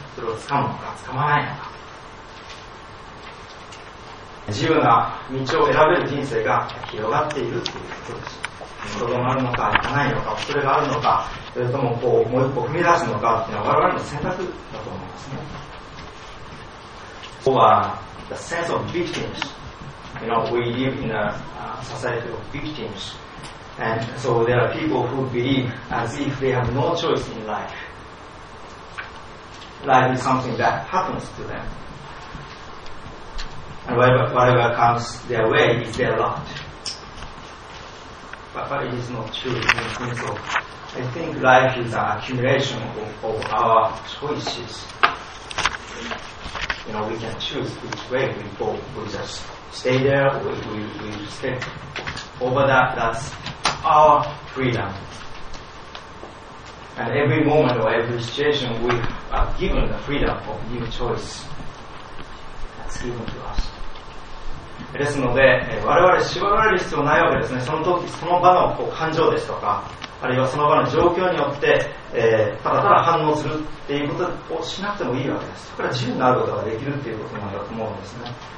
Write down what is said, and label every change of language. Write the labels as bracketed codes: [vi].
[ja] それを掴むのか掴まないのか、自由な道を選べる人生が広がっているということです。とどまるのか行かないのか、それがあるのか、それともこうもう一歩踏み出すのかというのは我々の選択だと思いますね。そこは [en] the sense of victims. You know, we live in a society of victims. And so there are people who believe as if they have no choice in life. Life is something that happens to them. And whatever comes their way is their lot. But it is not true in the sense of, I think life is an accumulation of our choices. You know, we can choose which way we go. We just stay there, we step over that. That's our freedom. And every moment or every situation, we are given the freedom of new choice. That's given to us. [ja] ですので、我々縛られる必要ないわけですね。その時その場のこう感情ですとか、あるいはその場の状況によって、ただただ反応するっていうことをしなくてもいいわけです。だから自由になることができるっていうことなんだと思うんですね。